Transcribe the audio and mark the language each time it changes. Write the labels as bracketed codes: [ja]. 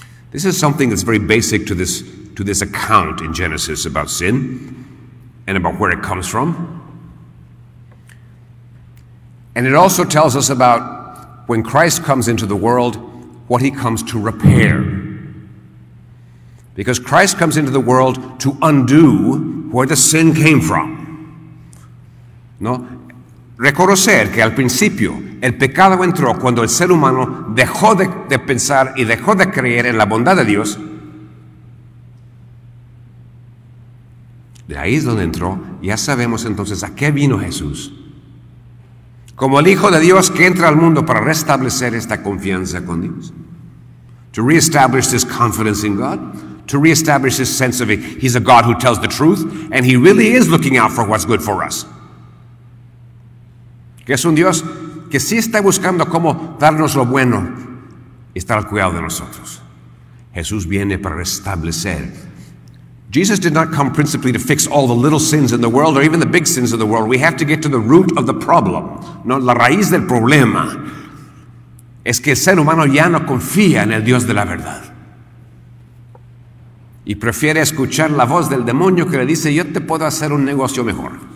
[en] This is something that's very basic to this account in Genesis about sin and about where it comes from. And it also tells us about when Christ comes into the world, what he comes to repair. Because Christ comes into the world to undo where the sin came from. [es] No, reconocer que al principio el pecado entró cuando el ser humano dejó de pensar y dejó de creer en la bondad de Dios. De ahí es donde entró. Ya sabemos entonces a qué vino Jesús. Como el Hijo de Dios que entra al mundo para restablecer esta confianza con Dios. [en] To reestablish this confidence in God. To reestablish his sense of it. He's a God who tells the truth, and he really is looking out for what's good for us. [es] Que es un Dios que sí está buscando cómo darnos lo bueno y estar al cuidado de nosotros. Jesús viene para restablecer. [en] Jesus did not come principally to fix all the little sins in the world or even the big sins of the world. We have to get to the root of the problem. [es] No, la raíz del problema es que el ser humano ya no confía en el Dios de la verdad. Y prefiere escuchar la voz del demonio que le dice, yo te puedo hacer un negocio mejor.